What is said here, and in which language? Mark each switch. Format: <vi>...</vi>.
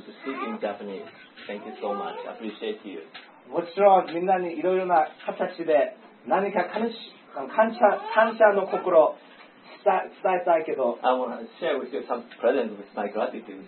<en>Because of your support, I'm now able to speak in Japanese. Thank you so much. I appreciate you.</en> <ja>もちろんみんなにいろいろな形で何か感謝の心を伝えたいけど、</ja> <en>I want to share with you some present with my gratitude.</en>